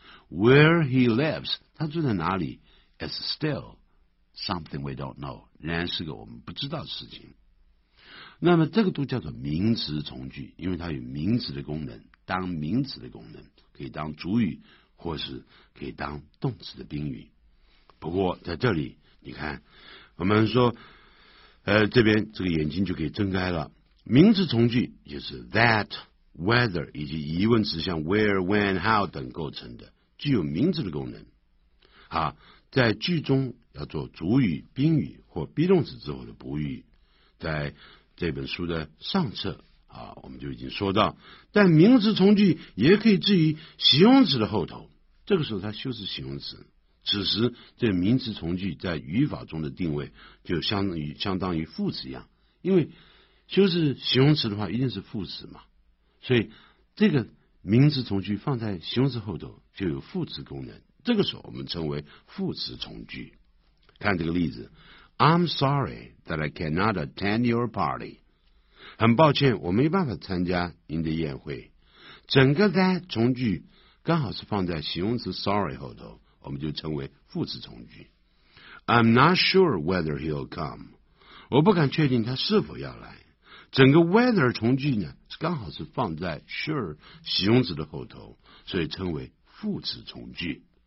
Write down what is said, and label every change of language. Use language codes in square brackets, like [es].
[en] Where he lives, [zh] 他住在哪里 [en] is still something we don't know. [zh] 仍然是个我们不知道的事情。那么这个都叫做名词从句，因为它有名词的功能，当名词的功能，可以当主语或是可以当动词的宾语。不过在这里你看我们说这边这个眼睛就可以睁开了。名词从句就是 that, whether 以及疑问词像 where, when, how 等构成的，具有名词的功能。好，在句中要做主语、宾语或 be 动词之后的补语，在这本书的上册啊，我们就已经说到。但名词从句也可以置于形容词的后头，这个时候它修饰形容词。此时这名词从句在语法中的定位就相当于副词一样，因为修饰形容词的话一定是副词嘛，所以这个名词从句放在形容词后头就有副词功能，这个时候我们称为副词从句。看这个例子， [en] I'm sorry that I cannot attend your party. [zh] 很抱歉我没办法参加您的宴会。整个 that 从句刚好是放在形容词 sorry 后头，我们就称为副词从句。 [en] I'm not sure whether he'll come. [zh] 我不敢确定他是否要来。整个 whether 从句呢刚好是放在 sure 形容词的后头，所以称为副词从句。